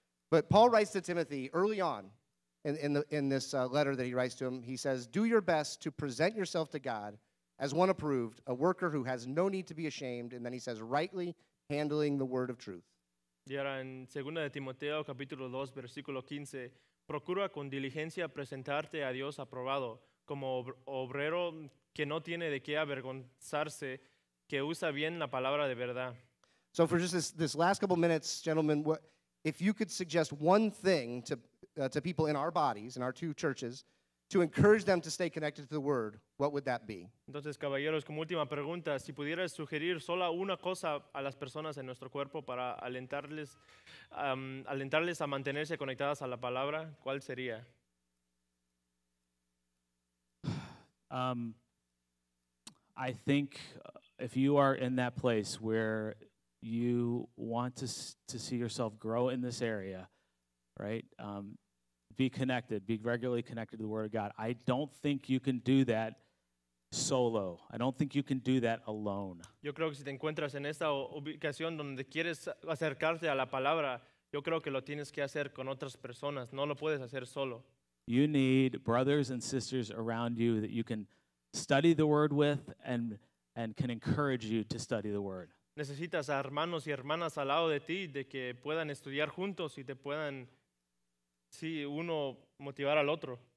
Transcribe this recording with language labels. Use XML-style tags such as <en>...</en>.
<en>But Paul writes to Timothy early on in this letter that he writes to him. He says, "Do your best to present yourself to God as one approved, a worker who has no need to be ashamed." And then he says, "Rightly handling the word of truth."</en> <es>Y ahora en 2 de Timoteo capítulo 2 versículo 15. Procura con diligencia presentarte a Dios aprobado como obrero que no tiene de qué avergonzarse, que usa bien la palabra de verdad.</es> <en>So for just this last couple minutes, gentlemen, if you could suggest one thing to people in our bodies, in our two churches, to encourage them to stay connected to the Word, what would that be?</en> <es>Entonces, caballeros, como última pregunta, si pudieras sugerir solo una cosa a las personas en nuestro cuerpo para alentarles a mantenerse conectadas a la palabra, ¿cuál sería?</es> <en>I think if you are in that place where you want to see yourself grow in this area, right? Be connected, be regularly connected to the Word of God. I don't think you can do that solo. I don't think you can do that alone.</en> <es>Yo creo que si te encuentras en esta ubicación donde quieres acercarte a la palabra, yo creo que lo tienes que hacer con otras personas. No lo puedes hacer solo.</es> <en>You need brothers and sisters around you that you can study the Word with and can encourage you to study the Word.</en> <es>Necesitas a hermanos y hermanas al lado de ti de que puedan estudiar juntos y te puedan sí, uno motivar al otro.</es>